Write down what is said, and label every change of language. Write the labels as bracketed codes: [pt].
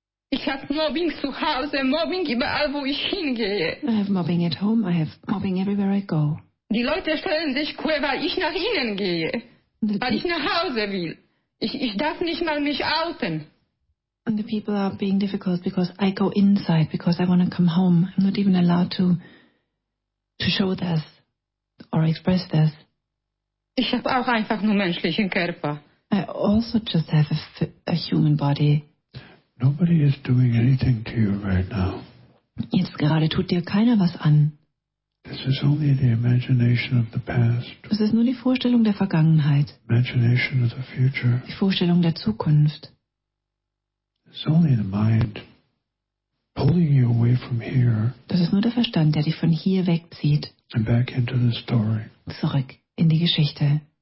[de] Ich habe Mobbing zu Hause, Mobbing überall, wo ich hingehe. [en] I have Mobbing at home, I have Mobbing everywhere I go. [de] Die Leute stellen sich quer, weil ich nach innen gehe. Weil ich nach Hause will. Ich darf nicht mal mich outen. [en] And the people are being difficult because I go inside because I want to come home. I'm not even allowed to show this or express this. [de] Ich habe auch einfach nur menschlichen Körper. [en] I also just have a human body. Nobody is doing anything to you right now. [de] Jetzt gerade tut dir keiner was an. [en] This is only the imagination of the past. [de] Das ist nur die Vorstellung der Vergangenheit. [en] Imagination of the future. [de] Die Vorstellung der Zukunft. [en] It's only the mind pulling you away from here. [de] Das ist nur der Verstand, der dich von hier wegzieht. [en] And back into the story. [de] Zurück in die Geschichte.